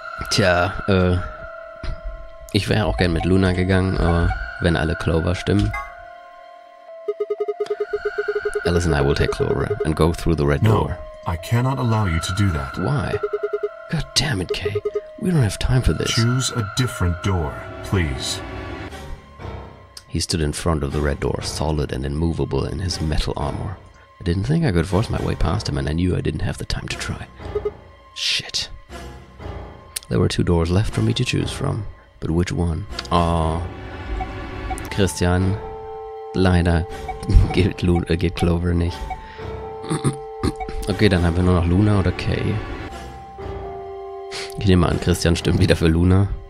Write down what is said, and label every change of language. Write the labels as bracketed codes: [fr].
[de] Tja, ich wäre auch gern mit Luna gegangen, aber wenn alle Clover stimmen. [en] Alice and I will take Clover and go through the red door. No, I cannot allow you to do that. Why? God damn it, Kay. We don't have time for this. Choose a different door, please. He stood in front of the red door, solid and immovable in his metal armor. I didn't think I could force my way past him, and I knew I didn't have the time to try. Shit. There were two doors left for me to choose from, but which one? [de] Oh, Christian, leider geht Luna, geht Clover nicht. Okay, dann haben wir nur noch Luna oder Kay. Ich nehme an, Christian stimmt wieder für Luna.